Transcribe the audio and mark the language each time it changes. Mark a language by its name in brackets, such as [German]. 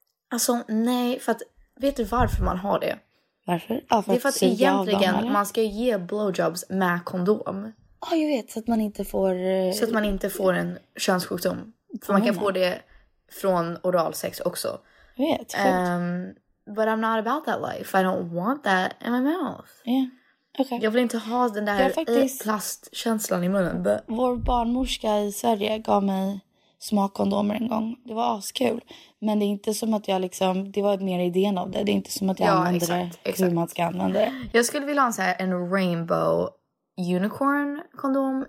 [Swedish] Alltså nej, för att vet du varför man har det? Varför? Ja, för det är för att egentligen dem, man ska ge blowjobs med kondom. Ja, jag vet, så att man inte får... Så att man inte får en könssjukdom. För man kan få det från oralsex också. Jag vet, [English] But I'm not about that life. I don't want that in my mouth. Yeah, okej. Okay. [Swedish] Jag vill inte ha den där plastkänslan i munnen. [English] But... [Swedish] Vår barnmorska i Sverige gav mig smakkondomer en gång. Det var askul. Men det är inte som att jag liksom... Det var mer idén av det. Det är inte som att jag använder det hur man ska använda det. Jag skulle vilja ha en [English] rainbow unicorn- [Swedish] kondom.